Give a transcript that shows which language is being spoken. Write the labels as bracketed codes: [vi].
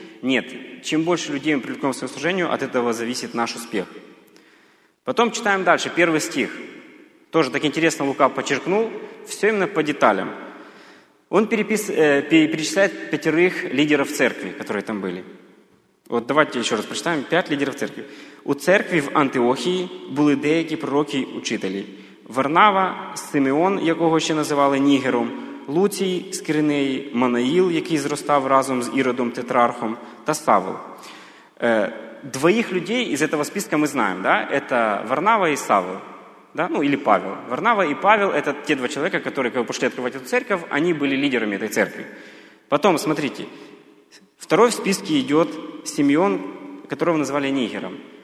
[ru] Нет, чем больше людей мы привлекаем к своему служению, от этого зависит наш успех. Потом читаем дальше, первый стих. Тоже так интересно Лука подчеркнул, все именно по деталям. Он перечисляет пятерых лидеров церкви, которые там были. Вот давайте еще раз прочитаем. Пять лидеров церкви. [uk] У церкви в Антиохии були деякі пророки і учителі. Варнава, Симеон, якого ще називали Нігером, Луцій з Киренеї, Манаїл, який зростав разом з Іродом Тетрархом, та Савл. [ru] Двоих людей из этого списка мы знаем, да? Это Варнава и Савл. Да? Ну, или Павел. Варнава и Павел – это те два человека, которые пошли открывать эту церковь, они были лидерами этой церкви. Потом, смотрите, второй в списке идет Симеон, которого называли Нигером.